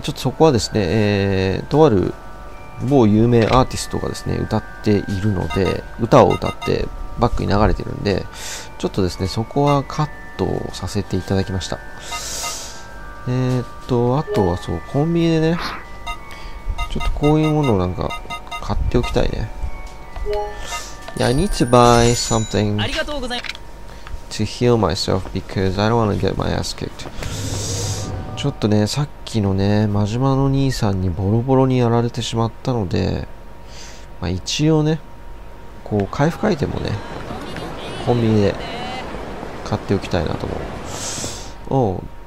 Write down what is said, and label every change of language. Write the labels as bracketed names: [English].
[Japanese] ちょっとそこはですね、とある某有名アーティストがですね歌っているので、歌を歌ってバックに流れてるんで、ちょっとですねそこはカットをさせていただきました。あとはそう、コンビニでね、ちょっとこういうものをなんか買っておきたいね。 [English] Yeah, I need to buy something to heal myself because I don't want to get my ass kicked. [Japanese] ちょっとね、さっきのね、マジマの兄さんにボロボロにやられてしまったので、まあ一応ね、こう回復アイテムをね、コンビニで買っておきたいなと思う。